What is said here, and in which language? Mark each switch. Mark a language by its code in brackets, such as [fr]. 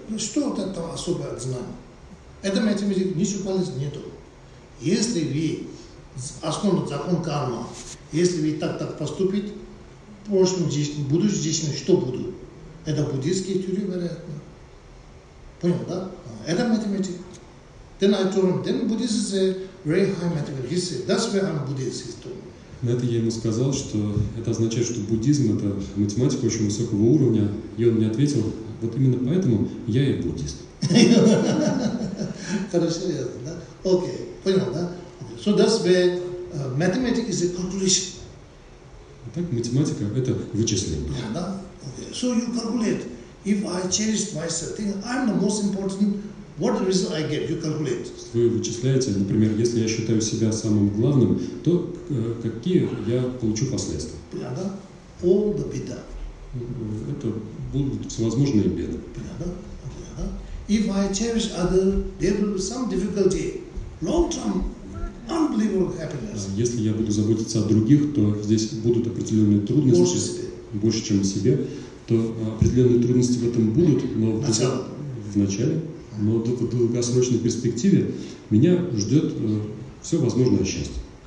[ru] Что вот это особое знание? Это математика, ничего полезного нету. Если вы основан закон кармы, если вы так-так поступите, прошлым жизнью, будущим жизнью, что буду? Это буддийские теории, вероятно. Понял, да? Это математика. [en] Then I told him, then Buddhist is a very high mathematical. He said, that's why I'm a Buddhist, he told me. [ru] На это я ему сказал, что это означает, что буддизм – это математика очень высокого уровня. И он мне ответил, вот именно поэтому я и буддист. Хорошо, я знаю, да? Окей, понял, да? [en] So that's where mathematics is a calculation. [ru] Так, математика – это вычисление. Да, да? Окей. [en] So you calculate. If I change myself, think I'm the most important. What result I get? You calculate. [ru] Вы вычисляете, например, если я считаю себя самым главным, то какие я получу последствия? [en] Да. All the беда. [ru] Это будут всевозможные беды. Да. [en] If I cherish other, there will be some difficulty. Long term, unbelievable happiness. [ru] Если я буду заботиться о других, то здесь будут определенные трудности. Больше себе. Больше, чем о себе, то определенные трудности в этом будут, но в начале. Но в долгосрочной перспективе меня ждет все возможное счастье.